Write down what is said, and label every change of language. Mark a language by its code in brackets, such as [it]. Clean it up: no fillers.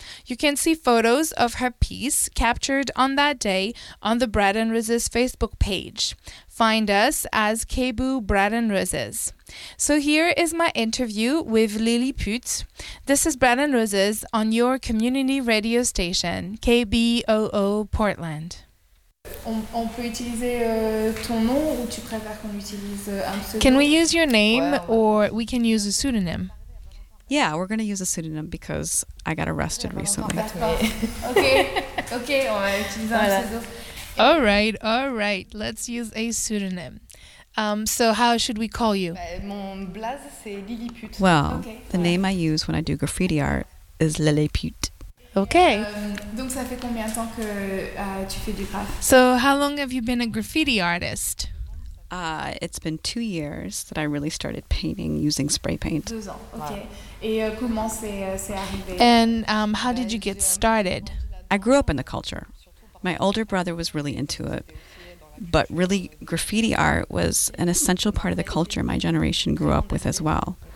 [en] You can see photos of her piece captured on that day on the Bread and Roses Facebook page. Find us as KBOO Bread and Roses. So here is my interview with Lily Putz. This is Bread and Roses on your community radio station, KBOO Portland. [fr] On peut utiliser ton nom ou tu préfères qu'on utilise un pseudo? [en] Can we use your name or we can use a pseudonym? Yeah, we're going to use a pseudonym because I got arrested recently. [fr] Okay, on va utiliser un pseudo. [en] All right, let's use a pseudonym. So how should we call you? [fr] Mon blaze, c'est Lily Putz. [en] Well, okay. The name I use when I do graffiti art is Lily Putz. Okay. [fr] Donc ça fait combien de temps que tu fais du graff? [en] So how long have you been a graffiti artist? It's been 2 years that I really started painting using spray paint. [fr] 2 ans, okay. Wow. Et comment c'est arrivé? [en] And how did you get started? I grew up in the culture. My older brother was really into it, but really graffiti art was an essential part of the culture my generation grew up with as well.